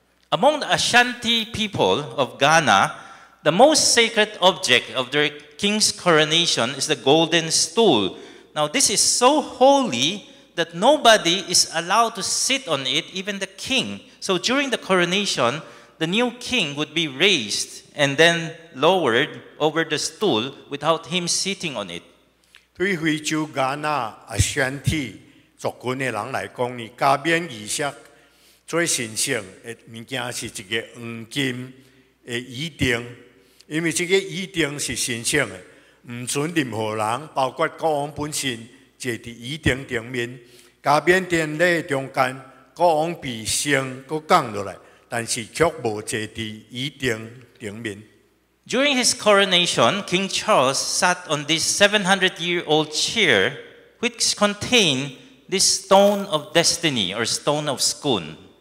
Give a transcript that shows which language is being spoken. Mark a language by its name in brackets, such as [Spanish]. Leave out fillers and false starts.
[English] Among the Ashanti people of Ghana, the most sacred object of their king's coronation is the golden stool. Now, this is so holy that nobody is allowed to sit on it, even the king. So during the coronation, the new king would be raised and then lowered over the stool without him sitting on it. [Min Nan Chinese] 对非洲 Ghana Ashanti 族群的人来讲呢，加冕仪式最神圣的物件是一个黄金的仪鼎，因为这个仪鼎是神圣的，唔准任何人，包括国王本身，坐伫仪鼎顶面，加冕殿内中间，国王被升，佮降落来，但是却无坐伫仪鼎顶面。 [English] During his coronation, King Charles sat on this 700-year-old chair, which contained this stone of destiny or stone of scone.